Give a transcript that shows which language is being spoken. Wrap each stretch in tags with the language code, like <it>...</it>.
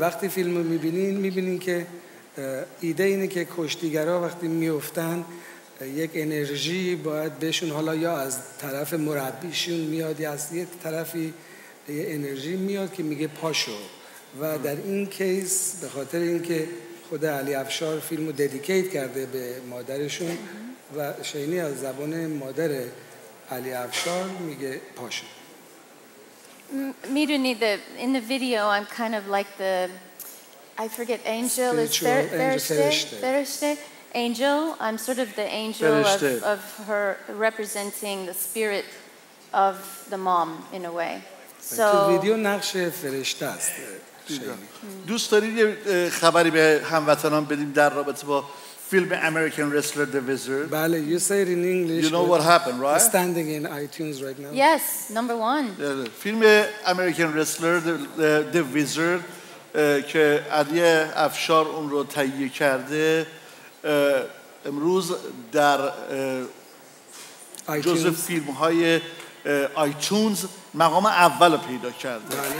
<fa>وقتی فیلمو میبینین میبینین که ایده اینه که کشتیگرا وقتی میفتن یک انرژی باید بهشون، حالا یا از طرف مربیشون میاد یا از یه طرفی یه انرژی میاد که میگه پاشو. و در این کیس به خاطر اینکه خود علی افشار فیلمو ددیکیت کرده به مادرشون و شینی از زبان مادر علی افشار میگه پاشو.</fa> <en>میدونی in the video I'm kind of like the I forget angel is</en> <fa>Fereshte.</fa> <en>Angel, I'm sort of the angel of her representing the spirit of the mom in a way.</en> <fa>So تو ویدیو نقش فرشته است. دوست دارید یه خبری به هموطنان بدیم در رابطه با فیلم American Wrestler The Wizard؟</fa> <en>بله, you say it in English. You know what happened, right? Standing in iTunes right now. Yes, number one.</en> <fa>فیلم American Wrestler The Wizard که علی افشار اون رو تهیه کرده امروز در جزء فیلم های آیتونز مقام اول رو پیدا کرده.</fa>